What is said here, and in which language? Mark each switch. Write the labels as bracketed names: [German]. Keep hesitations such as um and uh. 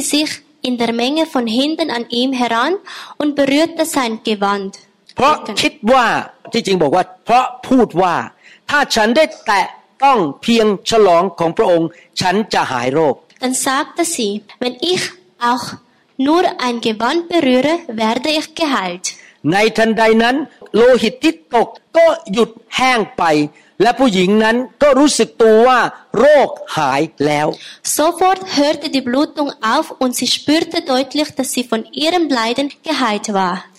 [German] sich in der Menge von hinten an ihm heran und berührte sein Gewand. [Thai] เพราะคิดว่าที่จริงบอกว่าเพราะพูดว่าถ้าฉันได้แตะต้องเพียงฉลองของพระองค์ฉันจะหายโรค [German] dann sagte sie wenn ich auch nur ein gewand berühre werde ich geheilt [Thai] ในทันใดนั้น โลหิตที่ตกก็หยุดแห้งไป และผู้หญิงนั้นก็รู้สึกตัวว่าโรคหายแล้ว [German] Sofort hörte die Blutung auf und sie spürte deutlich dass sie von ihrem Leiden geheilt war